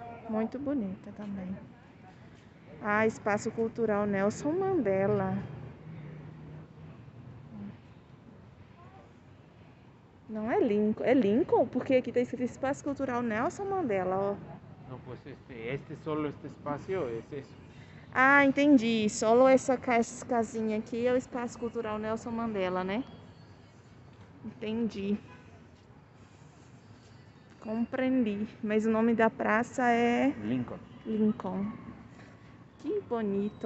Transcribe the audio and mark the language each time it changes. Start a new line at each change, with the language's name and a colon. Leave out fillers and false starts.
Portuguese: Muito bonita também. Ah, Espaço Cultural Nelson Mandela. Não é Lincoln. É Lincoln? Porque aqui está escrito Espaço Cultural Nelson Mandela, ó.
Spanish: No, pues este solo este espacio es eso.
Portuguese: Ah, entendi. Solo essa casinha aqui é o Espaço Cultural Nelson Mandela, né? Entendi. Compreendi. Mas o nome da praça é... Lincoln. Lincoln. Que bonito.